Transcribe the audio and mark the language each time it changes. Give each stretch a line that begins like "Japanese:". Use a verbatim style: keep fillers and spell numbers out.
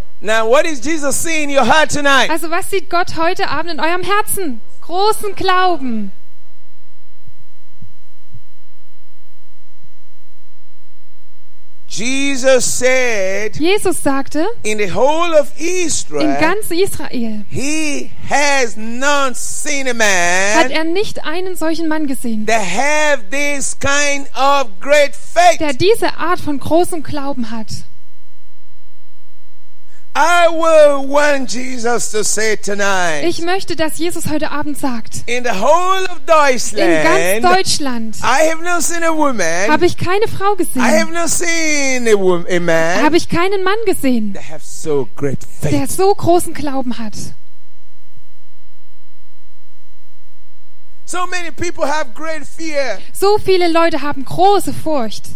English: Now, what is Jesus see in your heart tonight?
German: Also, was sieht Gott heute Abend in eurem Herzen? Großen Glauben.
English: Jesus said,
German: Jesus sagte,
English: "In the whole of
German: in
English: Israel,
German: ganz Israel
English: he has not seen a man
German: hat er nicht einen solchen Mann gesehen,
English: that have this kind of great faith."
German: der diese Art von großem Glauben hat.
English: I will want Jesus to say tonight.
German: Ich möchte, dass Jesus heute Abend sagt.
English: In the whole of
German: In ganz
English: Deutschland,
German: Deutschland
English: I have not seen a woman.
German: habe ich keine Frau
English: I
German: gesehen.
English: have not seen a wo-, a man
German: Habe ich keinen Mann gesehen,
English: that have so great faith.
German: der so großen Glauben hat.
English: So many people have great fear.
German: So viele Leute haben große Furcht.